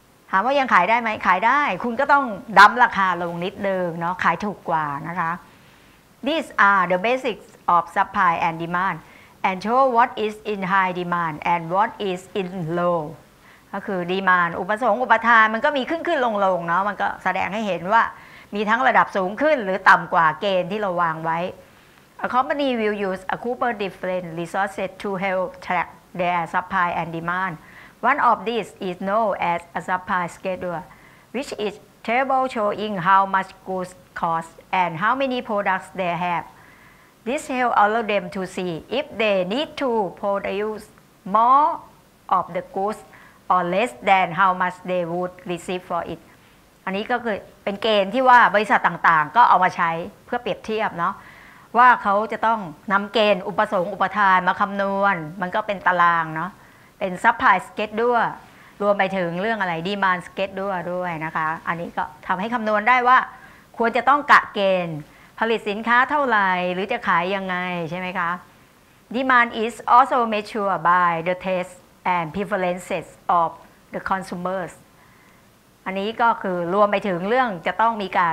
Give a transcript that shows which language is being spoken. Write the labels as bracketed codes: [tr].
[th] ถามว่ายังขายได้ไหมขายได้คุณก็ต้องดั้มราคาลงนิดนึงเนาะขายถูกกว่านะคะ [en] These are the basics of supply and demand and show what is in high demand and what is in low [th] ก็คือ demand อุปสงค์อุปทานมันก็มีขึ้นๆลงๆเนาะมันก็แสดงให้เห็นว่ามีทั้งระดับสูงขึ้นหรือต่ำกว่าเกณฑ์ที่เราวางไว้ [en] A company will use a couple different resources to help trackTheir supply and demand. One of these is known as a supply schedule, which is table showing how much goods cost and how many products they have. This helps allow them to see if they need to produce more of the goods or less than how much they would receive for it. [th] อันนี้ก็คือเป็นเกณฑ์ที่ว่าบริษัทต่างๆก็เอามาใช้เพื่อเปรียบเทียบเนาะว่าเขาจะต้องนำเกณฑ์อุปสงค์อุปทานมาคำนวณมันก็เป็นตารางเนาะเป็นซัพพลายสเกดดู รวมไปถึงเรื่องอะไรดีมานด์สเกดดูด้วยนะคะอันนี้ก็ทำให้คำนวณได้ว่าควรจะต้องกะเกณฑ์ผลิตสินค้าเท่าไหร่หรือจะขายยังไงใช่ไหมคะ [en] Demand is also measured by the taste and preferences of the consumers [th] อันนี้ก็คือรวมไปถึงเรื่องจะต้องมี